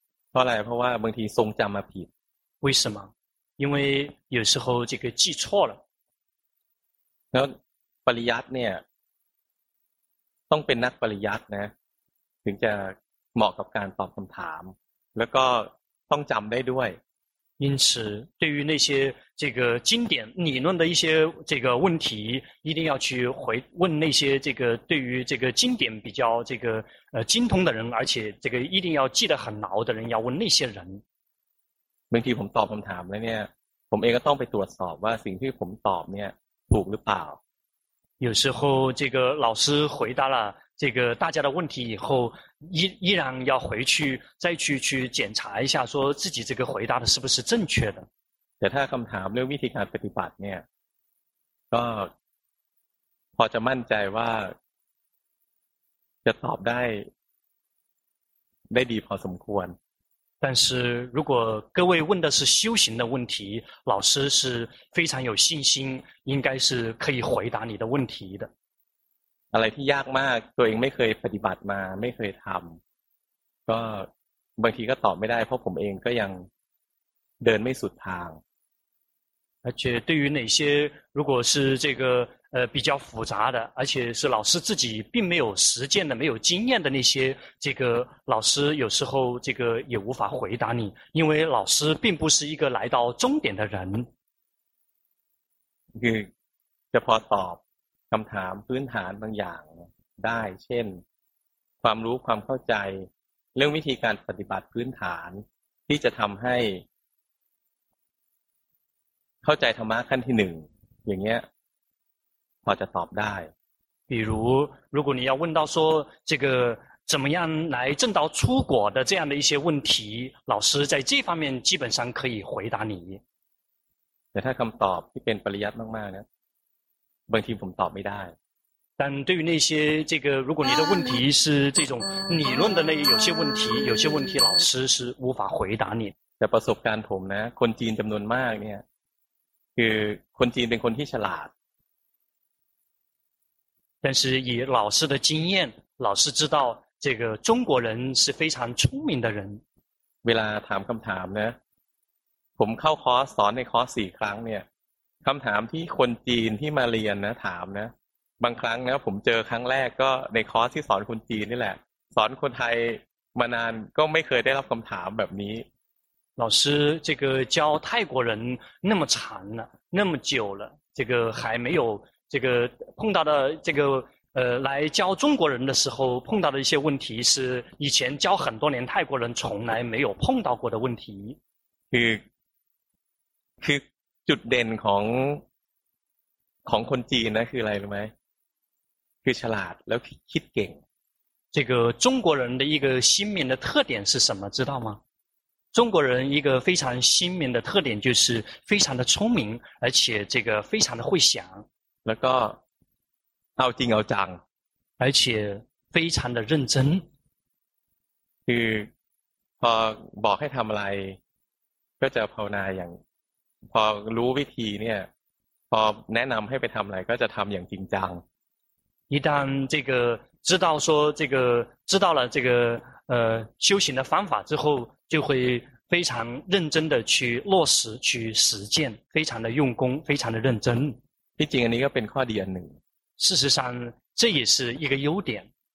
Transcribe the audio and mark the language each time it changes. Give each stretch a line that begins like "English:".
Thai: เพราะอะไรเพราะว่าบางทีทรงจำมาผิด
Chinese: 为什么因为有时候这个记错了
Thai: แล้วปริยัติเนี่ยต้องเป็นนักปริยัตินะถึงจะเหมาะกับการตอบคำถามแล้วก็ต้องจำได้ด้วย
Chinese: 因此对于那些这个经典理论的一些这个问题一定要去回问那些这个对于这个经典比较这个精通的人而且这个一定要记得很牢的人要问那些人
Thai: บางทีผมตอบคำถามแล้วเนี่ยผมเองก็ต้องไปตรวจสอบว่าสิ่งที่ผมตอบเนี่ยถูกหรือเปล่า
Chinese: 有时候这个老师回答了这个大家的问题以后依然要回去再去检查一下说自己这个回答的是不是正确的
Thai: แต่ถ้าคำถามเรื่องวิธีการปฏิบัติเนี่ยก็พอจะมั่นใจว่าจะตอบได้ดีพอสมควร
Chinese: 但是如果各位问的是修行的问题老师是非常有信心应该是可以回答你的问题的
Thai: อะไรที่ยากมากตัวเองไม่เคยปฏิบัติมาไม่เคยทำก็บางทีก็ตอบไม่ได้เพราะผมเองก็ยังเดินไม่สุดทาง
Chinese: 而且对于哪些如果是这个比较复杂的而且是老师自己并没有实践的没有经验的那些这个老师有时候这个也无法回答你因为老师并不是一个来到终点的人
Thai: คือจะพอตอบคำถามพื้นฐานบางอย่างได้เช่นความรู้ความเข้าใจเรื่องวิธีการปฏิบัติพื้นฐานที่จะทำใ ข้าใจธรรมะขั้นที่หนึ่งอย่างเงี้ยพอจะตอบได้
Chinese: 比如如果你要问到说这个怎么样来证到初果的这样的一些问题老师在这方面基本上可以回答你
Thai: แต่ถ้าคำตอบที่เป็นปริยัติมากๆเนี่ยบางทีผมตอบไม่ได้
Chinese: 但对于那些这个，如果你的问题是这种理论的那有些问题，有些问题老师是无法回答你。
Thai: แต่ประสบการณ์ผมนะคนจีนจำนวนมากเนี่ยคือคนจีนเป็นคนที่ฉลาด。
Chinese: 但是以老师的经验，老师知道这个中国人是非常聪明的人。
Thai: เวลาถามคำถามนะผมเข้าคอร์สสอนในคอร์สสี่ครั้งเนี่ยคำถามที่คนจีนที่มาเรียนนะถามนะบางครั้งนะผมเจอครั้งแรกก็ในคอร์สที่สอนคนจีนนี่แหละสอนคนไทยมานานก็ไม่เคยได้รับคำถามแบบนี้
Chinese: 老师这个教泰国人那么长了那么久了这个还没有这个碰到的这个来教中国人的时候碰到的一些问题是以前教很多年泰国人从来没有碰到过的问题
Thai: คือจุดเด่นของคนจีนนะคืออะไรรู้ไหมคือฉลาดแล้วคิดเก่ง
Chinese: 这个中国人的一个鲜明的特点是什么知道吗中国人一个非常鲜明的特点就是非常的聪明而且这个非常的会想
Thai: แล้วก็เอาจริงเอาจัง
Chinese: 而且非常的认真
Thai: คือพอบอกให้ทำอะไรก็จะภาวนาอย่างพอรู้วิธีเนี่ยพอแนะนำให้ไปทำอะไรก็จะทำอย่างจริงจัง
Chinese: 一旦这个知道说这个知道了这个修行的方法之后，就会非常认真的去落实去实践，非常的用功，非常的认真。毕竟你要变快点呢。事实上，这也是一个优点。